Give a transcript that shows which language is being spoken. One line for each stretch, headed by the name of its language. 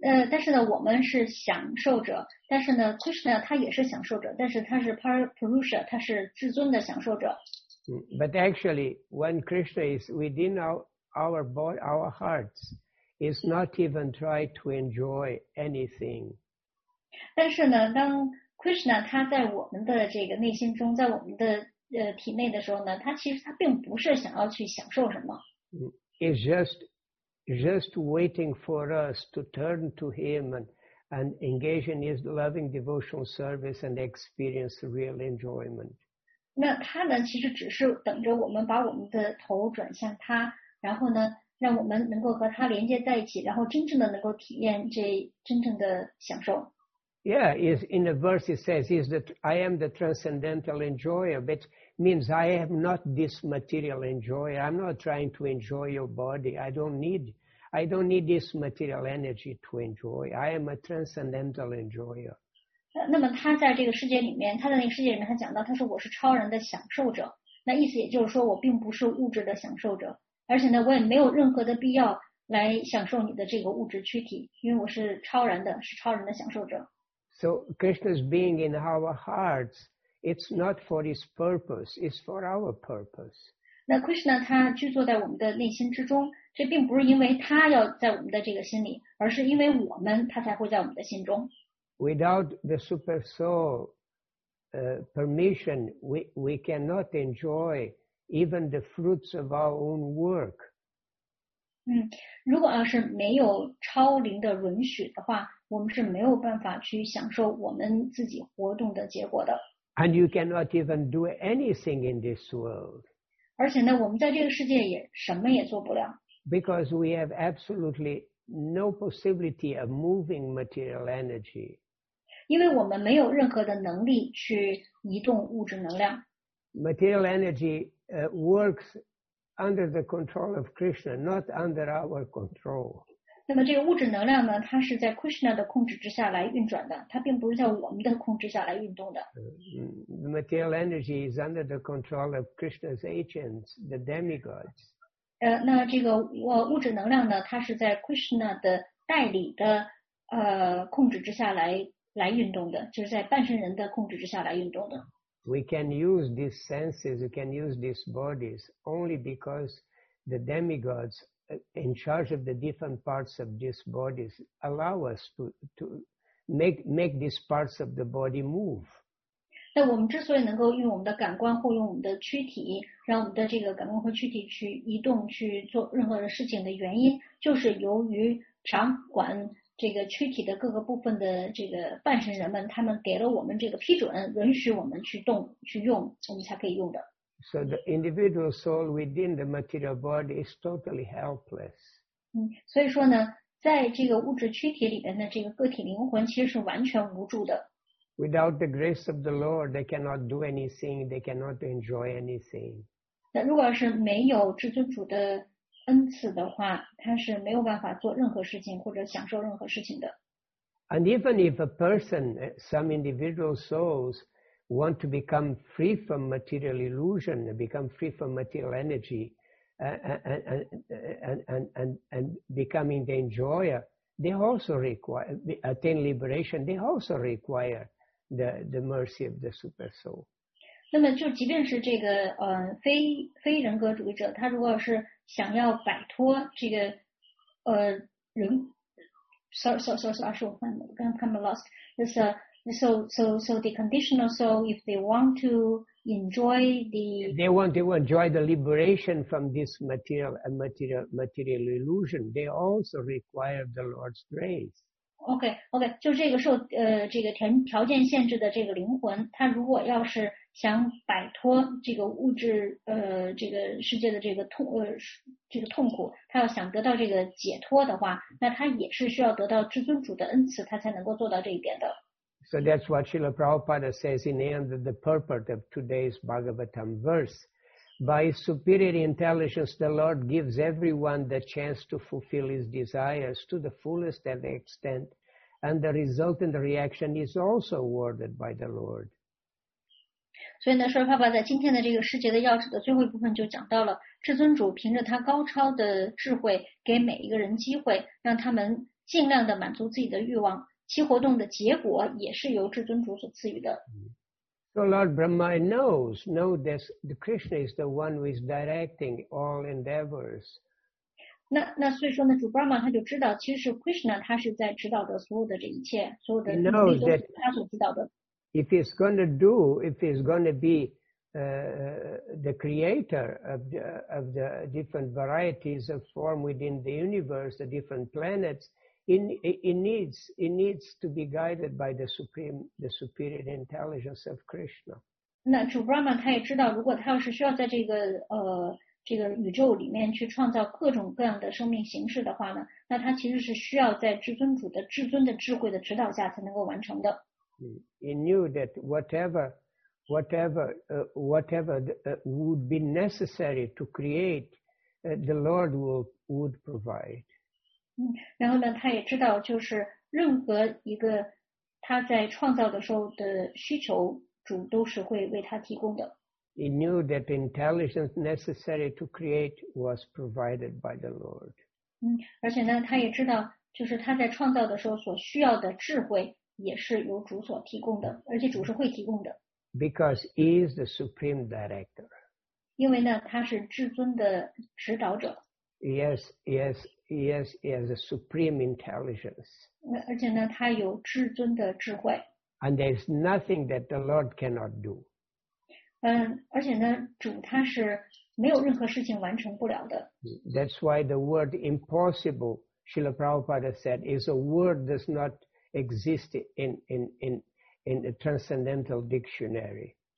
Chinese: 但是呢我们是享受者，但是呢 Krishna 他也是享受者，但是他是 Parapurusha, 他是至尊的享受者。
English: But actually, when Krishna is within our hearts, he's not even trying to enjoy anything.
Chinese: 但是呢当 Krishna 他在我们的这个内心中，在我们的体内的时候呢，他其实他并不是想要去享受什么。
English: It's just waiting for us to turn to him and engage in his loving devotional service and experience real enjoyment.
Chinese: 那他呢，其实只是等着我们把我们的头转向他，然后呢，让我们能够和他连接在一起，然后真正的能够体验这真正的享受。
English: Yeah, in the verse it says, I am the transcendental enjoyer, which means I am not this material enjoyer. I'm not trying to enjoy your body. I don't need this material energy to enjoy. I am a transcendental enjoyer.
Chinese: 那么他在这个世界里面，他在那个世界里面他讲到，他说我是超人的享受者。那意思也就是说我并不是物质的享受者，而且呢，我也没有任何的必要来享受你的这个物质躯体，因为我是超人的，是超人的享受者。
English: So Krishna's being in our hearts, it's not for his purpose, it's for our purpose.
Chinese: 那 Krishna 他居住在我们的内心之中，这并不是因为他要在我们的这个心里，而是因为我们他才会在我们的心中。
English: Without the super soul permission, we cannot enjoy even the fruits of our own work.
Chinese: 如果要是没有超灵的允许的话，我们是没有办法去享受我们自己活动的结果的。
English: And you cannot even do anything in this world.
Chinese: 而且呢，我们在这个世界也什么也做不了。
English: Because we have absolutely no possibility of moving material energy.
Chinese: 因为我们没有任何的能力去移动物质能量。
English: Material energy works under the control of Krishna, not under our control.
Chinese: 那么这个物质能量呢，它是在 Krishna 的控制之下来运转的，它并不是在我们的控制下来运动的。
English: The material energy is under the control of Krishna's agents, the demigods.
Chinese: 那这个物质能量呢，它是在 Krishna 的代理的控制之下来运动的，就是在半身人的控制之下来运动的。
English: We can use these senses, we can use these bodies only because the demigods in charge of the different parts of these bodies allow us to make these parts of the body move.
Chinese: 那我们之所以能够用我们的感官或用我们的躯体，让我们的这个感官和躯体去移动，去做任何的事情的原因，就是由于掌管这个躯体的各个部分的这个半身人们，他们给了我们这个批准，允许我们去动去用，我们才可以用的。
English: So the individual soul within the material body is totally helpless.
Chinese: 所以说呢，在这个物质躯体里面的这个个体灵魂其实是完全无助的。
English: Without the grace of the Lord, they cannot do anything. They cannot enjoy anything.
Chinese: 那如果是没有至尊主的恩赐的话，他是没有办法做任何事情或者享受任何事情的。
English: And even if a person, some individual souls want to become free from material illusion, become free from material energy, and becoming the enjoyer, they also require attain liberation. They also require the mercy of the super soul.
Chinese: 那么就即便是这个非人格主义者，他如果是想要摆脱这个
English: So the conditional soul, if they want to enjoy the, they want to enjoy the liberation from this material illusion, they also require the Lord's grace.
Chinese: Okay, 就这个受这个条件限制的这个灵魂，他如果要是想摆脱这个物质这个世界的这个痛苦，他要想得到这个解脱的话，那他也是需要得到至尊主的恩赐，他才能够做到这一点的。
English: So that's what Srila Prabhupada says in the end of the purport of today's Bhagavatam verse. By superior intelligence, the Lord gives everyone the chance to fulfill his desires to the fullest extent, and the resultant reaction is also awarded by the Lord.
Chinese: 所以呢，舍利帕巴在今天的这个世界的要旨的最后一部分就讲到了，至尊主凭着他高超的智慧，给每一个人机会，让他们尽量的满足自己的欲望。其活动的结果也是由至尊主所赐予的。
English: So Lord Brahma knows this, the Krishna is the one who is directing all endeavors.
Chinese: 那所以说呢，主 Brahma 他就知道，其实 Krishna 他是在指导着所有的这一切，所有的努力都是他所指导的。
English: If he's going to do, if he's going to be the creator of the different varieties of form within the universe, the different planets,It needs to be guided by the superior intelligence of Krishna.
Chinese: 那主 Brahma 他也知道，如果他要是需要在这个宇宙里面去创造各种各样的生命形式的话呢，那他其实是需要在至尊的智慧的指导下才能够完成的。
English: He knew that whatever would be necessary to create, the Lord would provide.
Chinese: 然后呢，他也知道，就是任何一个他在创造的时候的需求，主都是会为他提供的。
English: He knew that the intelligence necessary to create was provided by the Lord.
Chinese: 而且呢，他也知道，就是他在创造的时候所需要的智慧也是由主所提供的，而且主是会提供的。
English: Because he is the supreme director.
Chinese: 因为呢，他是至尊的指导者。
English: Yes, yes. Yes, he has a supreme intelligence.
Chinese: 而且呢，他有至尊的智慧。
English: And there is nothing that the Lord cannot do.
Chinese: 而且呢，主他是没有任何事情完成不了的。
English: That's why the word impossible, Srila Prabhupada said, is a word does not exist in the transcendental dictionary.